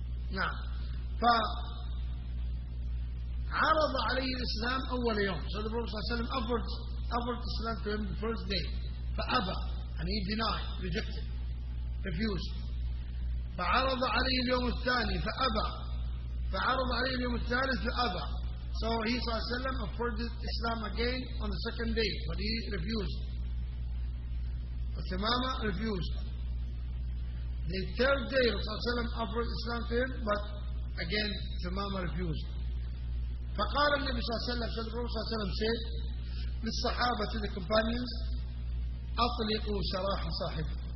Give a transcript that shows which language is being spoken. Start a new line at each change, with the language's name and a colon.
Arabic: نعم فعرض عليه الإسلام أول يوم
English: so the Prophet صلى الله عليه وسلم offered Islam to him the first day
Arabic: فأبى
English: and he denied rejected refused
Arabic: فعرض عليه اليوم الثاني فأبى فعرض عليه اليوم الثالث فأبى
English: So he وسلم, offered Islam again on the second day, but he refused. Uthmama refused. The third day, Rasulullah offered Islam to him, but again, Uthmama refused.
Arabic: فقال النبي صلى الله عليه وسلم
English: said,
Arabic: للصحابة,
English: to the companions,
Arabic: أطلقوا سراح صاحب.